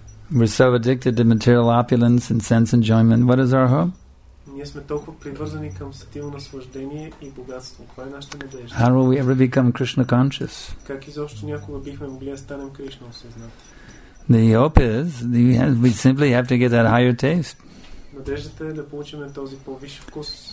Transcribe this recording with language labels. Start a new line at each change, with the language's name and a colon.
English: We're so addicted to material opulence and sense enjoyment. What is our hope?
Bulgarian: Ние сме толкова привързани към сетило наслаждение и богатство. Това е нашата надежда.
English: How will we ever become Krishna conscious?
Bulgarian: Как изобщо някога бихме могли да станем Кришна осъзнати?
English: The hope is that we simply have to get that higher taste.
Bulgarian: Надеждата е да получим този по-виш вкус.